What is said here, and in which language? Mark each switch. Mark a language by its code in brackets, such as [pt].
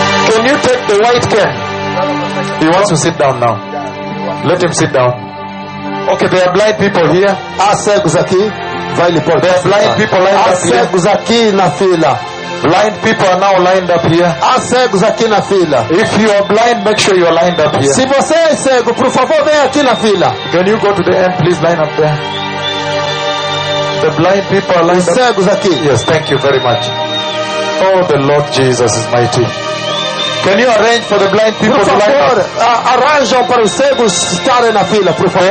[en] Can you take the white can? He wants to sit down now. Let him sit down. Okay, there are blind people here. [pt] Há cegos aqui. Vai lhe pôr. [en] There are blind people lined up here. [pt] Há cegos aqui na fila. [en] Blind people are now lined up here. [pt] Há cegos aqui na fila. [en] If you are blind, make sure you are lined up here. [pt] Se você é cego, por favor, venha aqui na fila. [en] Can you go to the end, please line up there? The blind people are lined [pt] up. Os cegos aqui. [en] Yes, thank you very much. Oh, the Lord Jesus is mighty. Can you arrange for the blind people to line up? [pt] Por favor, arranjam para os cegos estarem na fila, por favor.